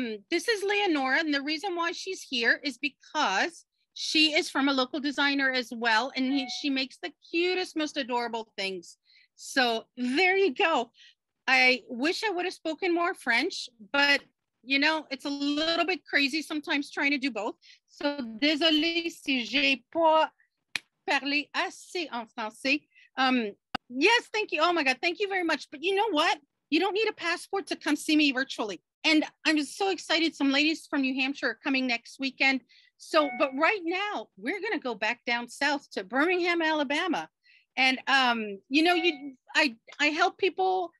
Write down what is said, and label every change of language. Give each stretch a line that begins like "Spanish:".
English: This is Leonora, and the reason why she's here is because she is from a local designer as well, and she makes the cutest, most adorable things. So there you go. I wish I would have spoken more French, but you know, it's a little bit crazy sometimes trying to do both.
French: So désolé si j'ai pas parlé assez en français.
English: Yes, thank you. Oh my God, thank you very much. But you know what? You don't need a passport to come see me virtually. And I'm so excited. Some ladies from New Hampshire are coming next weekend. So, but right now we're gonna go back down south to Birmingham, Alabama. And you know, I help people.